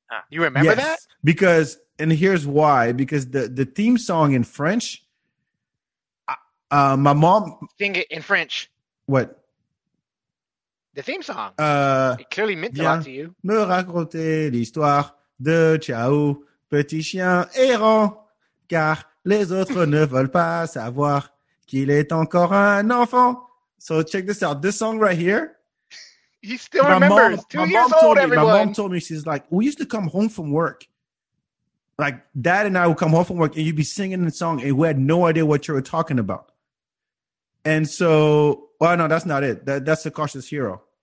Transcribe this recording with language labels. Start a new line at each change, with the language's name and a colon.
English: You remember that? Because, and here's why. Because the theme song in French, my mom... Sing it in French. What? The theme song. It clearly meant a lot to you.
French: Me raconter l'histoire. De Chao, petit chien errant, car les autres ne veulent pas savoir qu'il est encore un enfant.
English: So check this out. This song right here. He still remembers. 2 years old, everyone. My mom told me, she's like, we used to come home from work. Like, dad and I would come home from work and you'd be singing the song and we had no idea what you were talking about. And so, well, no, that's not it. That's The Cautious Hero.